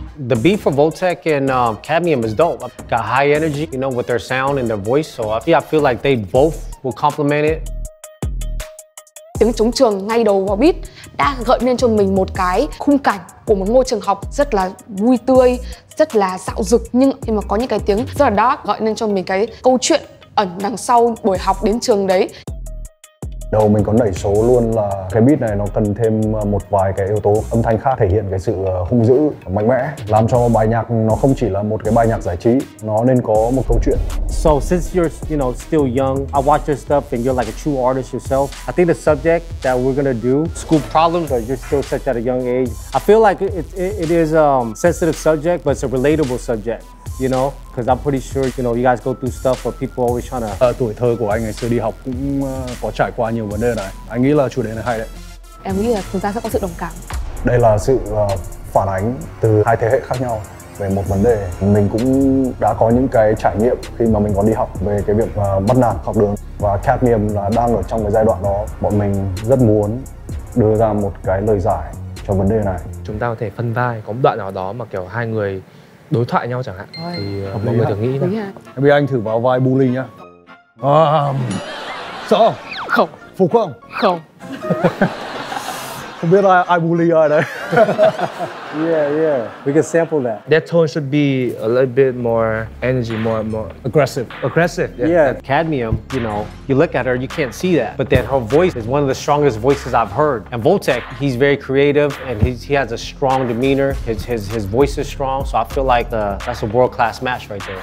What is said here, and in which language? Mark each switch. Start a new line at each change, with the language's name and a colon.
English: The beat for Voltec and Cadmium is dope. Got high energy, you know, with their sound and their voice, so I feel like they both will complement it.
Vietnamese: Tiếng trống trường ngay đầu vào beat đã gợi lên cho mình một cái khung cảnh của một ngôi trường học rất là vui tươi, rất là rạo rực, nhưng mà có những cái tiếng rất là dark gợi lên cho mình cái câu chuyện ẩn đằng sau buổi học đến trường đấy. Đầu mình có nảy số luôn là cái beat này nó cần thêm một vài cái yếu tố âm thanh khác thể hiện cái sự hung dữ, mạnh mẽ, làm cho bài nhạc nó không chỉ là một cái bài nhạc giải trí, nó nên có một câu chuyện.
English: So since you're, you know, still young, I watch your stuff and you're like a true artist yourself. I think the subject that we're gonna do, school problems, but you're still such at a young age. I feel like it is a sensitive subject, but it's a relatable subject. You know, because I'm pretty sure, you know, you guys go through stuff where people always trying to...
Vietnamese: Tuổi thơ của anh ngày xưa đi học cũng có trải qua nhiều vấn đề này. Anh nghĩ là chủ đề này hay đấy. Em nghĩ là chúng ta sẽ có sự đồng cảm. Đây là sự phản ánh từ hai thế hệ khác nhau về một vấn đề. Mình cũng đã có những cái trải nghiệm khi mà mình còn đi học về cái việc bắt nạt học đường. Và cadmium là đang ở trong cái giai đoạn đó. Bọn mình rất muốn đưa ra một cái lời giải cho vấn đề này. Chúng ta có thể phân vai, có một đoạn nào đó mà kiểu hai người đối thoại nhau chẳng hạn. Thì mọi người thử nghĩ nào. Bây giờ anh thử vào vai bully nhá. Sợ không? Không. Phục không? Không. Không biết là ai bully ai đấy.
English: Yeah. We can sample that. That tone should be a little bit more energy, more aggressive. Aggressive. Yeah. Cadmium, you know, you look at her, you can't see that. But then her voice is one of the strongest voices I've heard. And Voltec, he's very creative and he has a strong demeanor. His voice is strong. So I feel like that's a world class match right there.